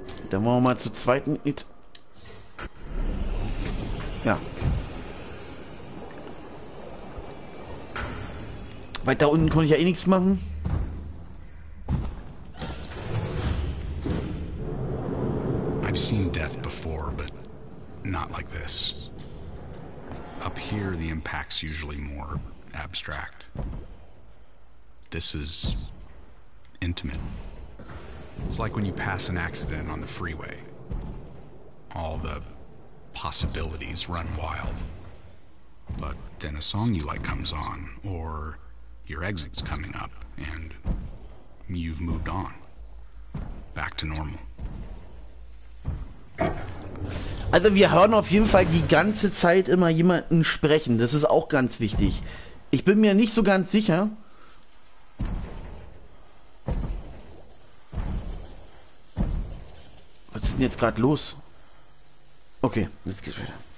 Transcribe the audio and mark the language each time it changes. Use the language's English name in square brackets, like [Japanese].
[German] Dann wollen wir mal zur zweiten. Ja. Weiter unten konnte ich ja eh nichts machen. [English] I've seen death before, but not like this. Up here, the impact's usually more abstract. This is intimate. It's like when you pass an accident on the freeway. All the possibilities run wild. But then a song you like comes on, or your exit's coming up, and you've moved on. Back to normal. [German] Also wir hören auf jeden Fall die ganze Zeit immer jemanden sprechen. Das ist auch ganz wichtig. Ich bin mir nicht so ganz sicher. Was ist denn jetzt gerade los? Okay, jetzt geht's weiter.